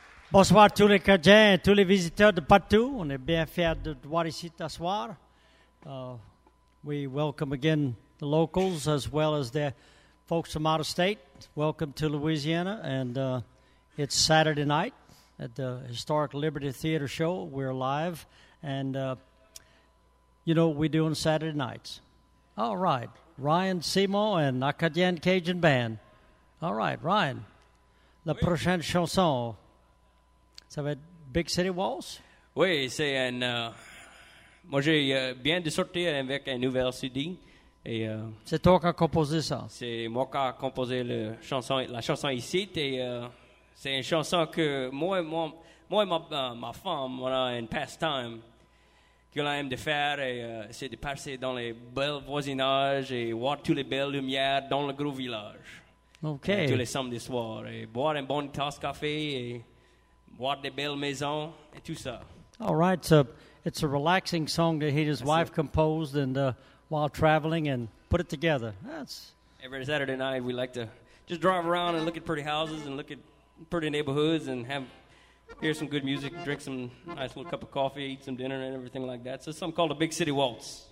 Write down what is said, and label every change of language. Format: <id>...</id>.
<fr>Bonsoir tous les Cajuns et tous les visiteurs de partout. On est bien fiers de voir ici ce soir.</fr> <en>We welcome again the locals as well as the folks from out of state. Welcome to Louisiana. And it's Saturday night at the Historic Liberty Theater Show. We're live. And you know what we do on Saturday nights. All right. Ryan Simo and Acadian Cajun Band. All right, Ryan.</en> <fr>La prochaine chanson, ça va être Big City Walls? Oui, c'est un... moi, j'ai bien de sortir avec un nouvel CD. Et, c'est toi qui as composé ça? C'est moi qui a composé la chanson ici. Et c'est une chanson que moi et ma femme, on a un pastime qu'on aime de faire. Et, c'est de passer dans les belles voisinages et voir toutes les belles lumières dans le gros village. OK. Tous les samedis soirs, et boire une bonne tasse de café, et boire des belles maisons, et tout ça.</fr> <en>All right, it's a relaxing song that he and his wife composed and while traveling and put it together. That's every Saturday night, we like to just drive around and look at pretty houses and look at pretty neighborhoods and hear some good music, drink some nice little cup of coffee, eat some dinner and everything like that. So it's something called a Big City Waltz.</en>